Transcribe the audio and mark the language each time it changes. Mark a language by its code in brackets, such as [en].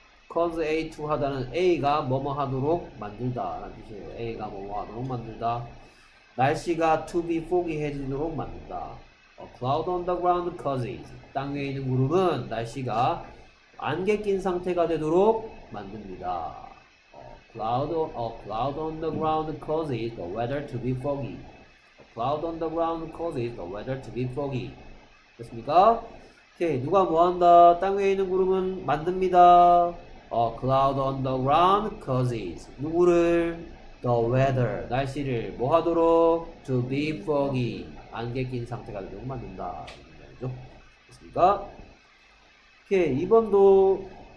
[ko] cause A to 하다는 A가 뭐뭐 하도록 만들다 라는 뜻이에요. A가 뭐뭐 하도록 만들다. [en] 날씨가 to be foggy 해지도록 만든다. a cloud on the ground causes. [ko] 땅 위에 있는 구름은 날씨가 안개 낀 상태가 되도록 만듭니다. [en] A cloud on the ground causes the weather to be foggy. A cloud on the ground causes the weather to be foggy. [ko] 됐습니까? 오케이. 누가 뭐한다? 땅 위에 있는 구름은 만듭니다. [en] A cloud on the ground causes. 누구를? The weather. 날씨를 뭐하도록? To be foggy. [ko] 안개 낀 상태가 되도록 만든다. 됐습니까? 오케이. 2번도